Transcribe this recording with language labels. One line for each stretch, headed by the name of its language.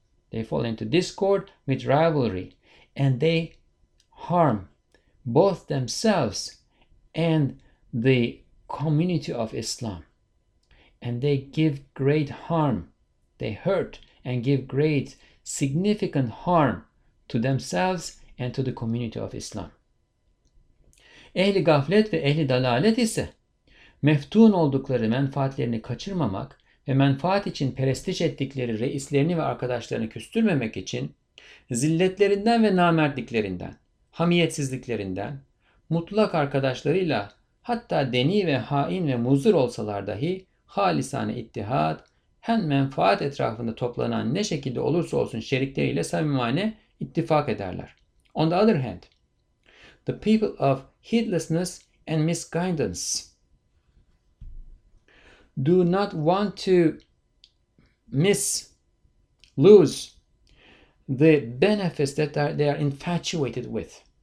English: They fall into discord with rivalry, and they harm both themselves and the community of Islam. And they give great harm. They hurt and give great significant harm to themselves and to the community of Islam.
Turkish: Ehli gaflet ve ehli dalalet ise meftun oldukları menfaatlerini kaçırmamak ve menfaat için perestiş ettikleri reislerini ve arkadaşlarını küstürmemek için zilletlerinden ve namertliklerinden, hamiyetsizliklerinden, mutlak arkadaşlarıyla hatta deni ve hain ve muzır olsalar dahi halisane ittihat, hem menfaat etrafında toplanan ne şekilde olursa olsun şerikleriyle samimane ittifak ederler.
English: On the other hand, the people of heedlessness and misguidance do not want to miss, lose the benefits that they are infatuated with.